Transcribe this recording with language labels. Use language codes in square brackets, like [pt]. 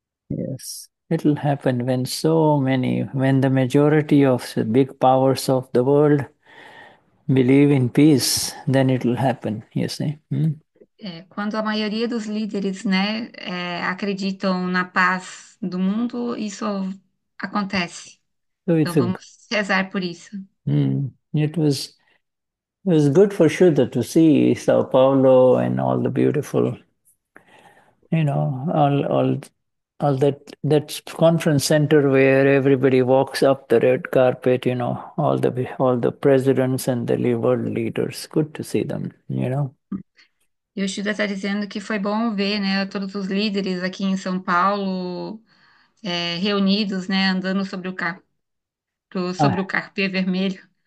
[en] Yes, it'll happen when so many, when the majority of the big powers of the world believe in peace, then it'll happen, you see. [pt] Quando a maioria dos líderes, né, acreditam na paz do mundo, isso acontece. [en] So [pt] Então vamos rezar por isso. [en] it was It was good for Shuddha to see São Paulo and all the beautiful, all that conference center where everybody walks up the red carpet, all the presidents and the world leaders. Good to see them, [pt] E o Shuda está dizendo que foi bom ver, né, todos os líderes aqui em São Paulo, reunidos, né, andando sobre o carpê vermelho.